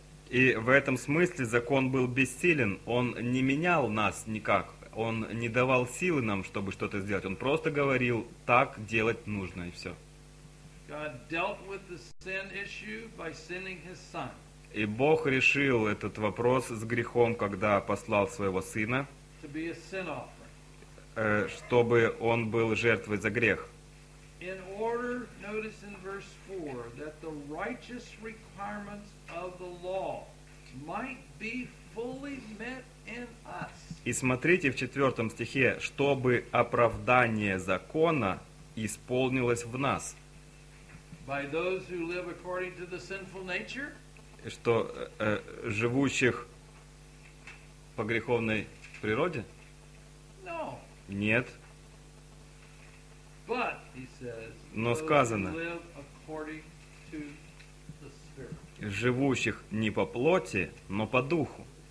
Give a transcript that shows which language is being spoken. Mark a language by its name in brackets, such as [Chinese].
[Russian] И в этом смысле закон был бессилен, он не менял нас никак. Он не давал силы нам, чтобы что-то сделать. Он просто говорил, так делать нужно, и все. [English] God dealt with the sin issue by sending his son. [Russian] И Бог решил этот вопрос с грехом, когда послал своего сына, [English] to be a sin offering. [Russian] Чтобы он был жертвой за грех. [English] In order, notice in verse 4, that the righteous requirements of the law might be fully met in us. [Russian] И смотрите в 4 стихе, чтобы оправдание закона исполнилось в нас. [English] By those who live according to the sinful nature? [Russian] Что живущих по греховной природе? [English] No. [Russian] Нет. [English] But, he says, [Russian] но сказано, [English] those who live according to the Spirit. [Russian] Живущих не по плоти, но по духу.